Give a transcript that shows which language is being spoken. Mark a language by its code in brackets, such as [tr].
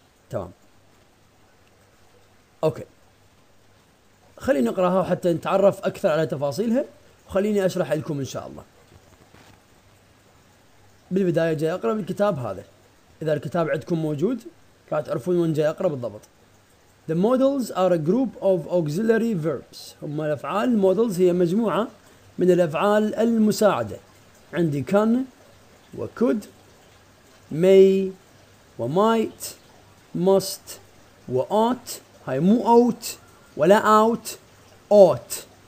[ar] تمام، اوكي، خلينا نقراها حتى نتعرف اكثر على تفاصيلها، وخليني اشرح لكم ان شاء الله. بالبدايه جاي اقرا بالكتاب هذا، اذا الكتاب عندكم موجود راح تعرفون وين جاي اقرا بالضبط. [en] The models are a group of auxiliary verbs. [ar] هم الافعال، models هي مجموعة من الافعال المساعدة. عندي can و could may و might must و ought. هاي مو out ولا out، ought.